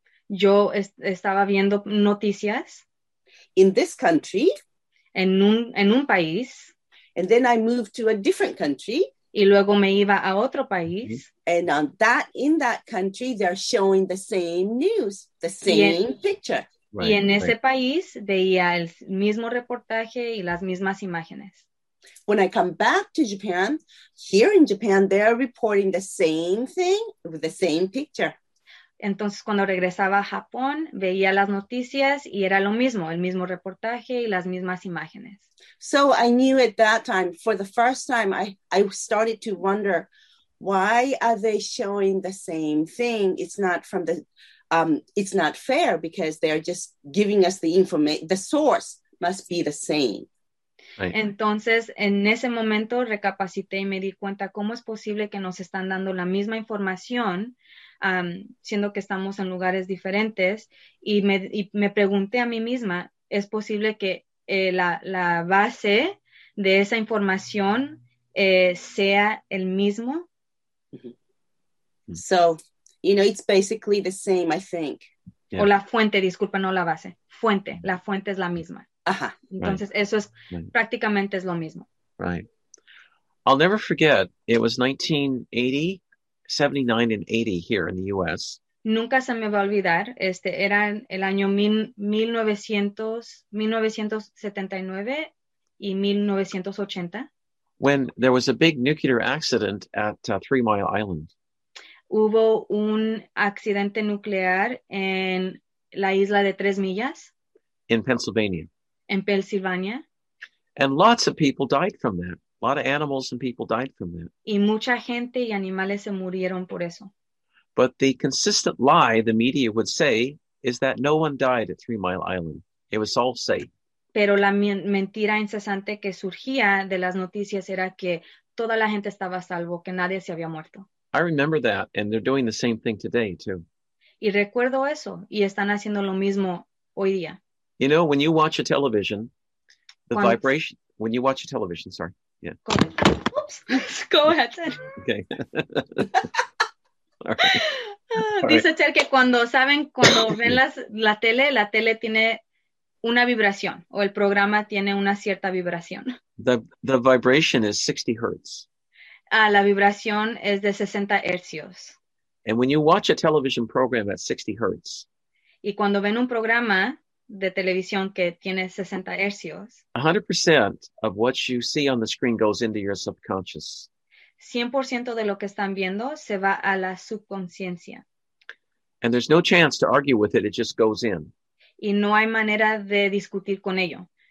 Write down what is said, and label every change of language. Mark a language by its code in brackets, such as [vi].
[es] Yo estaba viendo noticias. [en] In this country. [es] En un país. [en] And then I moved to a different country. [es] Y luego me iba a otro país. [en] And on that, in that country, they're showing the same news, the same picture. [es] Right, y en ese país veía el mismo reportaje y las mismas imágenes. [en] When I come back to Japan, here in Japan, they're reporting the same thing with the same picture. [es] Entonces, cuando regresaba a Japón, veía las noticias y era lo mismo, el mismo reportaje y las mismas imágenes. [en] So I knew at that time, for the first time, I started to wonder, why are they showing the same thing? It's not from the, it's not fair, because they're just giving us the information, the source must be the same. Right. [es] Entonces, en ese momento, recapacité y me di cuenta cómo es posible que nos están dando la misma información, siendo que estamos en lugares diferentes, y me pregunté a mí misma, ¿es posible que la base de esa información sea el mismo? Mm-hmm. [en] So, you know, it's basically the same, I think. [es] Yeah. O la fuente, disculpa, no la base. Fuente, la fuente es la misma. Ajá. Entonces, right. Eso es right. Prácticamente es lo mismo. [en] Right. I'll never forget, it was 1980, 79 and 80 here in the U.S. [es] Nunca se me va a olvidar, era el año 1979 y 1980. [en] When there was a big nuclear accident at Three Mile Island. [es] Hubo un accidente nuclear en la isla de Tres Millas. [en] In Pennsylvania. [es] En Pennsylvania. [en] And lots of people died from that. A lot of animals and people died from that. [es] Y mucha gente y animales se murieron por eso. [en] But the consistent lie the media would say is that no one died at Three Mile Island. It was all safe. [es] Pero la mentira incesante que surgía de las noticias era que toda la gente estaba a salvo, que nadie se había muerto. [en] I remember that, and they're doing the same thing today, too. [es] Y recuerdo eso, y están haciendo lo mismo hoy día. [en] You know, when you watch a television, the vibration, when you watch a television, sorry. Yeah. Go ahead. Oops. Go ahead. Okay. All right. [es] Dice Ter que cuando ven la tele tiene una vibración, o el programa tiene una cierta vibración. [en] The vibration is 60 hertz. [es] La vibración es de 60 hercios. [en] And when you watch a television program at 60 hertz. [es] Y cuando ven un programa de televisión que tiene 60 hercios. [en] 100% of what you see on the screen goes into your subconscious. [es] 100% de lo que están viendo se va a la subconsciencia. [en] And there's no chance to argue with it, it just goes in. [es] Y no hay manera de discutir con ello.